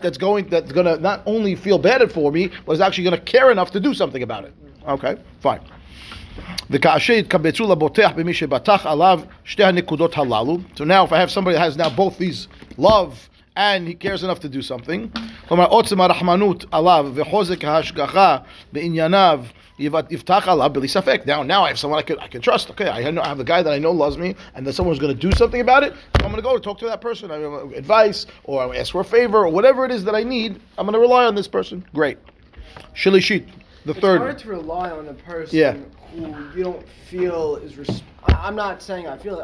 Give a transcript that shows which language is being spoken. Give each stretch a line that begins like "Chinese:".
English: That's going to not only feel bad for me, but is actually going to care enough to do something about it. Okay, fine. So now if I have somebody that has now both these, love and he cares enough to do something,
Hebrew: כלומר, עוצם הרחמנות עליו וחוזק ההשגחה בענייניו יפתח עליו בלי ספק.
English: Now I have someone I can trust. Okay, I have a guy that I know loves me and that someone's going to do something about it. So I'm going to go to talk to that person. I have advice or I ask for a favor or whatever it is that I need. I'm going to rely on this person. Great. Shilishit, the third. It's hard to rely on a person who you don't feel is I'm not saying I feel it.